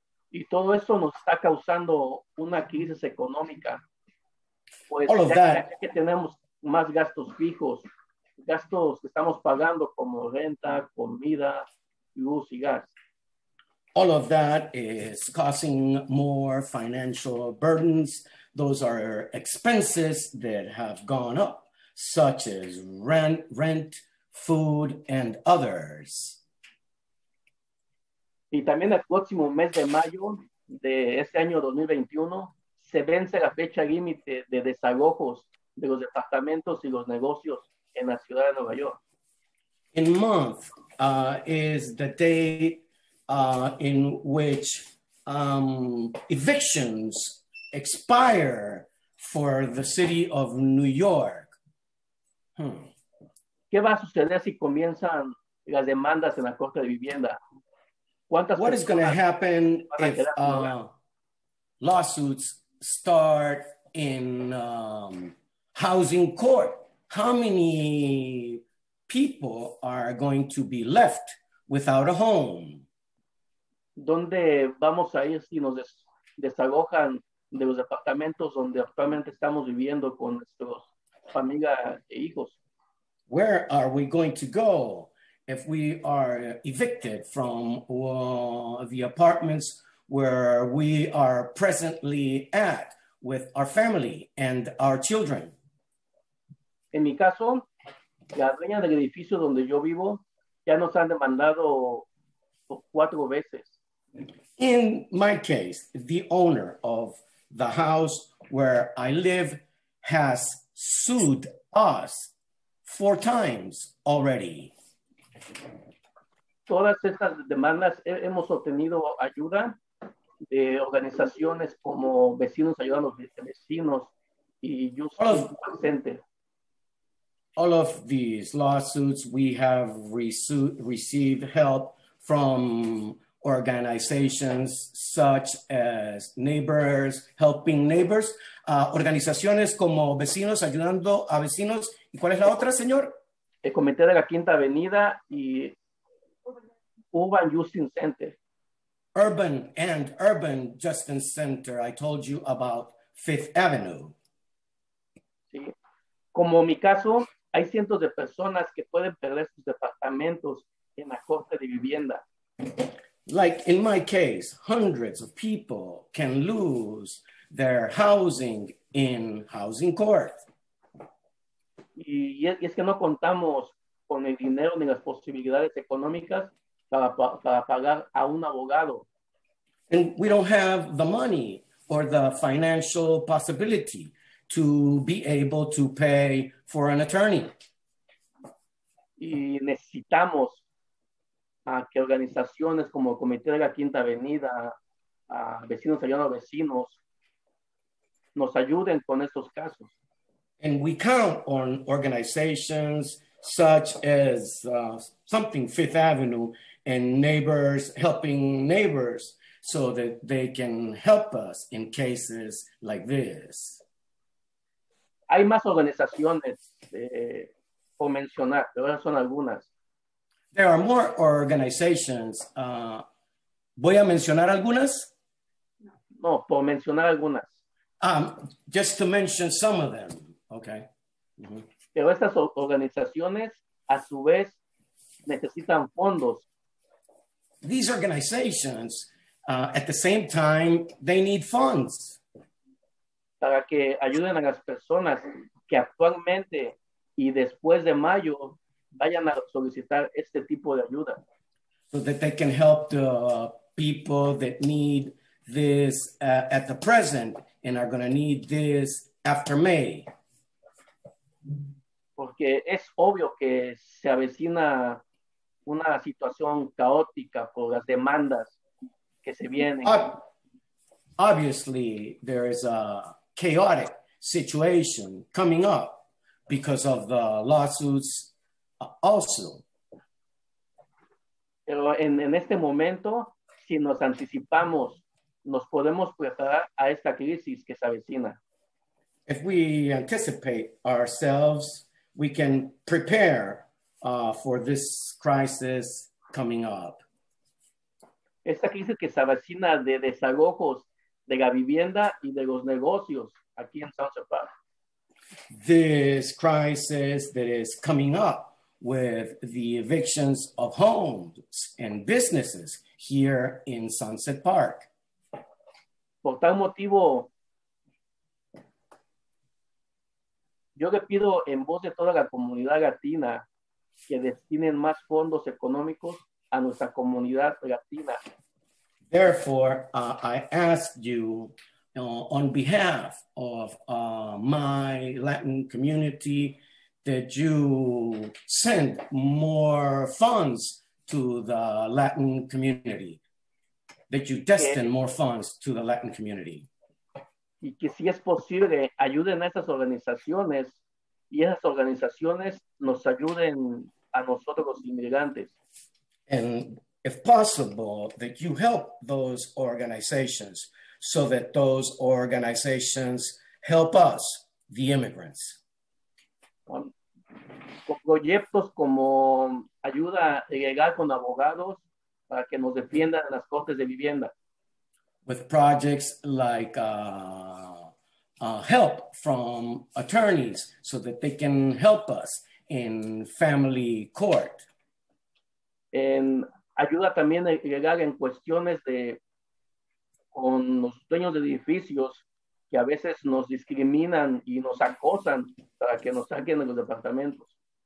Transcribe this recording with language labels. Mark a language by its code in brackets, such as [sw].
[es] Y todo esto nos está causando una crisis económica. Pues [en] all of that, [es] ya que tenemos más gastos fijos, gastos que estamos pagando como renta, comida, luz y gas. [en] All of that is causing more financial burdens. Those are expenses that have gone up, such as rent, food, and others. [es] Y también el próximo mes de mayo de este año 2021 se vence la fecha límite de desalojos de los departamentos y los negocios en la ciudad de Nueva York. [en] In month is the day in which evictions expire for the city of New York. [es] ¿Qué va a suceder si comienzan las demandas en la Corte de Vivienda? [en] What is going to happen if lawsuits start in housing court? How many people are going to be left without a home? [es] ¿Dónde vamos a ir si nos desalojan de los departamentos donde actualmente estamos viviendo con nuestros familia e hijos? [en] Where are we going to go if we are evicted from the apartments where we are presently at with our family and our children? [es] En mi caso, las dueñas del edificio donde yo vivo ya nos han demandado cuatro veces. [en] In my case, the owner of the house where I live has sued us four times already. [es] Todas estas demandas hemos obtenido ayuda de organizaciones como Vecinos Ayudando a Vecinos y Justo Center. [en] All of these lawsuits, we have received help from organizations such as Neighbors Helping Neighbors, [es] organizaciones como Vecinos Ayudando a Vecinos. ¿Y cuál es la otra, señor? El Comité de la Quinta Avenida y Urban Justice Center. [en] Urban and Urban Justice Center. I told you about Fifth Avenue. [es] Sí. Como mi caso, hay cientos de personas que pueden perder sus departamentos en la Corte de Vivienda. [en] Like in my case, hundreds of people can lose their housing in housing court. [es] Y es que no contamos con el dinero ni las posibilidades económicas para pagar a un abogado. [en] And we don't have the money or the financial possibility to be able to pay for an attorney. [es] Y necesitamos que organizaciones como el Comité de la Quinta Avenida, Vecinos Ayudando a Vecinos, nos ayuden con estos casos. [en] And we count on organizations such as something Fifth Avenue and Neighbors Helping Neighbors so that they can help us in cases like this. [es] Hay más organizaciones por mencionar, pero esas son algunas. [en] There are more organizations. [es] ¿Voy a mencionar algunas? No, por mencionar algunas. [en] Just to mention some of them. Okay. [es] Mm-hmm. Pero estas organizaciones, a su vez, necesitan fondos. [en] These organizations, at the same time, they need funds. [es] Para que ayuden a las personas que actualmente y después de mayo vayan a solicitar este tipo de ayuda. [en] So that they can help the people that need this at the present and are going to need this after May. [es] Porque es obvio que se avecina una situación caótica por las demandas que se vienen. [en] Obviously, there is a chaotic situation coming up because of the lawsuits also. [es] Pero en este momento, si nos anticipamos, nos podemos preparar a esta crisis que se avecina. [en] If we anticipate ourselves, we can prepare for this crisis coming up. [es] Esta crisis que se avecina de desalojos de la vivienda y de los negocios aquí en San Sebastián. [en] This crisis that is coming up with the evictions of homes and businesses here in Sunset Park. [es] Por tal motivo, yo le pido en voz de toda la comunidad latina que destinen más fondos económicos a nuestra comunidad latina. [en] Therefore, I ask you on behalf of my Latin community that you send more funds to the Latin community, that you destine more funds to the Latin community. [es] Y que si es posible, ayuden a esas organizaciones y esas organizaciones nos ayuden a nosotros los inmigrantes. [en] And if possible, that you help those organizations so that those organizations help us, the immigrants. [es] Con proyectos como ayuda legal con abogados para que nos defiendan en las cortes de vivienda. [en] With projects like help from attorneys so that they can help us in family court. [es] And ayuda también legal en cuestiones de con los dueños de edificios que a veces nos discriminan y nos acosan para que nos saquen de los departamentos.